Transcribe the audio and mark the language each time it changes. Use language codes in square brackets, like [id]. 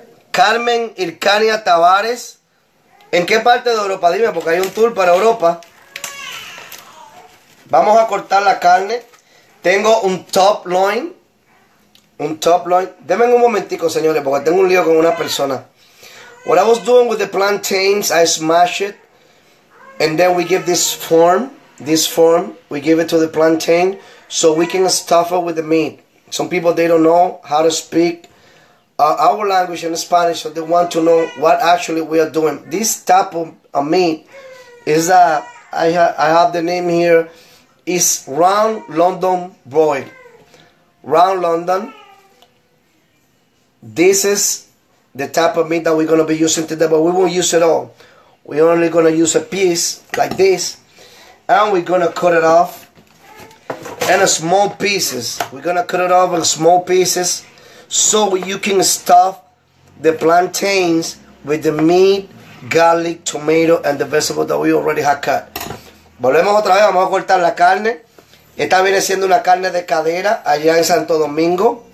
[es] Carmen Ircania Tavares. ¿En qué parte de Europa? Dime, porque hay un tour para Europa. Vamos a cortar la carne. Tengo un top loin. Un top loin. Denme un momentico, señores, porque tengo un lío con una persona. [en] What I was doing with the plantains, I smash it. And then we give this form. This form, we give it to the plantain so we can stuff it with the meat. Some people, they don't know how to speak our language in Spanish, so they want to know what actually we are doing. This type of meat is, I have the name here, is round London broil. Round London. This is the type of meat that we're going to be using today, but we won't use it all. We're only going to use a piece like this. And we're gonna cut it off in small pieces. We're gonna cut it off in small pieces so you can stuff the plantains with the meat, garlic, tomato, and the vegetable that we already have cut. [es] Volvemos otra vez, vamos a cortar la carne. Esta viene siendo una carne de cadera allá en Santo Domingo.